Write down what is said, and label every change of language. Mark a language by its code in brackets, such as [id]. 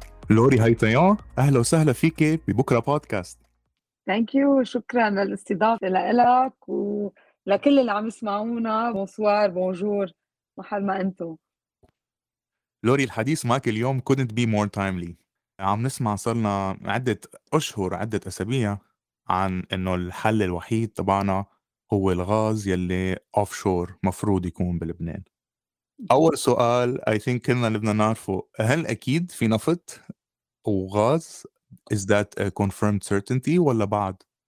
[ar] لوري، هاي تيان، اهلا وسهلا فيك ببكره بودكاست. [en] thank you, [ar] شكرا للاستضافه لك ولكل اللي عم يسمعونا. [fr] بونسوار بونجور، [ar] محل ما انتو لوري. الحديث معك اليوم [en] couldn't be more timely. [ar] عم نسمع صرنا عده اسابيع عن انه الحل الوحيد تبعنا هو الغاز يلي offshore مفروض يكون بلبنان. اول سؤال [en] I think [ar] كلنا اللي بدنا نعرفه، هل اكيد في نفط وغاز؟ [en] Is that a confirmed certainty [ar] ولا بعد؟